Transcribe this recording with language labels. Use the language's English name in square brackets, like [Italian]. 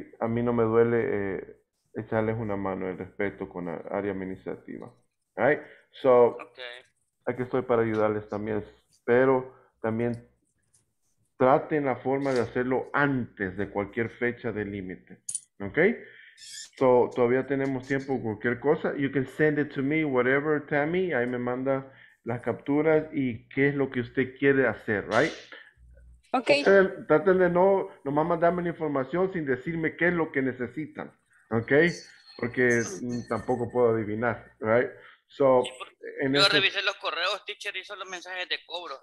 [Spanish] A mí no me duele echarles una mano el respeto con la área administrativa, ¿right? So, aquí estoy para ayudarles también, pero también traten la forma de hacerlo antes de cualquier fecha de límite, ¿ok? So, todavía tenemos tiempo para cualquier cosa. [English] You can send it to me, whatever, Tammy. [Spanish] Ahí me manda las capturas y qué es lo que usted quiere hacer, ¿right? Ok. Traten de nomás mandarme la información sin decirme qué es lo que necesitan, ¿ok? Porque tampoco puedo adivinar, ¿right? So, en yo revisé los correos, teacher, y son los mensajes de cobro.